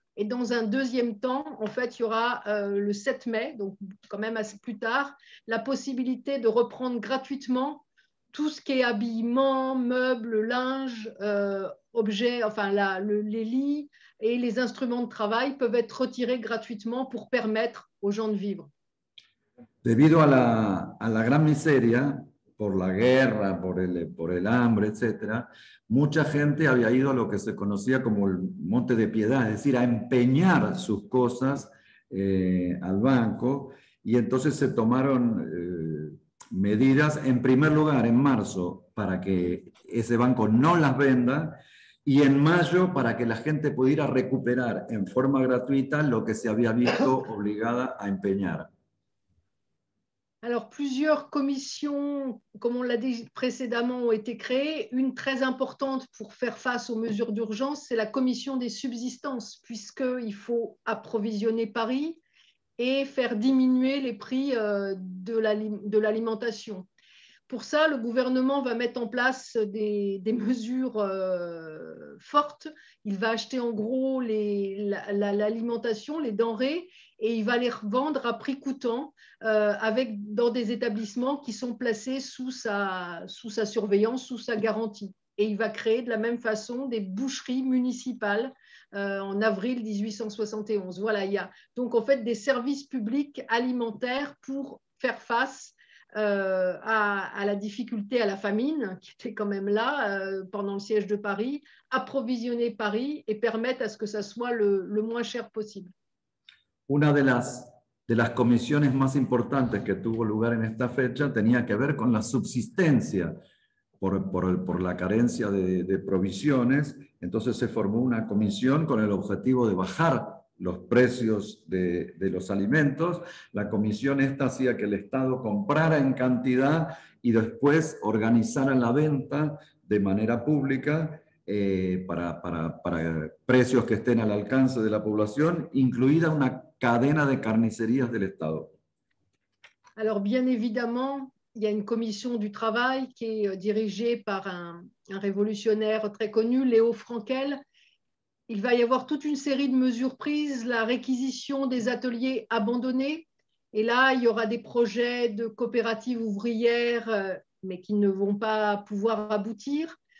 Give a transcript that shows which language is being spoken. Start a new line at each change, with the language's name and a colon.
French: Et dans un deuxième temps, en fait, il y aura le 7 mai, donc quand même assez plus tard, la possibilité de reprendre gratuitement tout ce qui est habillement, meubles, linge, objets, enfin les lits et les instruments de travail peuvent être retirés gratuitement pour permettre aux gens de vivre.
Spanish: Debido a la gran miseria, por la guerra, por el hambre, etcétera, mucha gente había ido a lo que se conocía como el Monte de Piedad, es decir, a empeñar sus cosas al banco, y entonces se tomaron medidas, en primer lugar, en marzo, para que ese banco no las venda, y en mayo para que la gente pudiera recuperar en forma gratuita lo que se había visto obligada a empeñar.
French: Alors, plusieurs commissions, comme on l'a dit précédemment, ont été créées. Une très importante pour faire face aux mesures d'urgence, c'est la commission des subsistances, puisqu'il faut approvisionner Paris et faire diminuer les prix de l'alimentation. Pour ça, le gouvernement va mettre en place des mesures fortes. Il va acheter en gros l'alimentation, les denrées, et il va les revendre à prix coûtant dans des établissements qui sont placés sous sa surveillance, sous sa garantie. Et il va créer de la même façon des boucheries municipales en avril 1871. Voilà, il y a donc en fait des services publics alimentaires pour faire face à la difficulté, à la famine, qui était quand même là pendant le siège de Paris, approvisionner Paris et permettre à ce que ça soit le moins cher possible.
Spanish: Una de las comisiones más importantes que tuvo lugar en esta fecha tenía que ver con la subsistencia por la carencia de provisiones. Entonces se formó una comisión con el objetivo de bajar los precios de los alimentos. La comisión esta hacía que el Estado comprara en cantidad y después organizara la venta de manera pública para precios que estén al alcance de la población, incluida una cadena de carnicerías del Estado.
French: Alors, bien évidemment, il y a une commission du travail qui est dirigée par un révolutionnaire très connu, Léo Frankel. Il va y avoir toute une série de mesures prises, la réquisition des ateliers abandonnés. Et là, il y aura des projets de coopératives ouvrières, mais qui ne vont pas pouvoir aboutir.